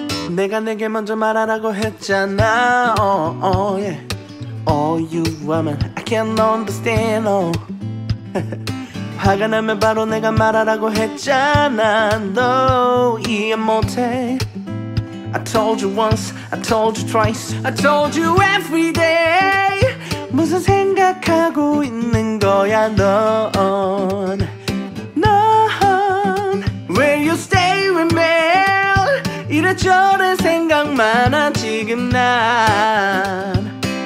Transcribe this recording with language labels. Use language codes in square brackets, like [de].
[ko] 내가 내게 먼저 말하라고 했잖아. [en] Oh, oh, yeah. Oh, you are my, I can't understand. Oh. [ko] 화가 나면 바로 내가 말하라고 했잖아. No, 이해 못해. [en] I told you once, I told you twice, I told you every day. [ko] 무슨 생각하고 있는 거야 넌? 넌 [en] Will you stay with me? [ko] 이래저래 생각 많아 지금 난.